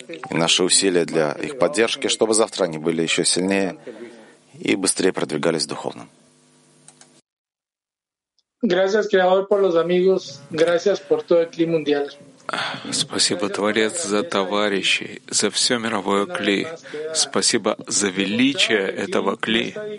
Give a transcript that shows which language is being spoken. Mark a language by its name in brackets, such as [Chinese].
[Russian] И наши усилия для их поддержки, чтобы завтра они были еще сильнее и быстрее продвигались духовно. [Spanish] Gracias, Creador, por los amigos. Gracias por todo el clima mundial. [Russian] Спасибо, Творец, за товарищей, за все мировое кли. Спасибо за величие этого кли.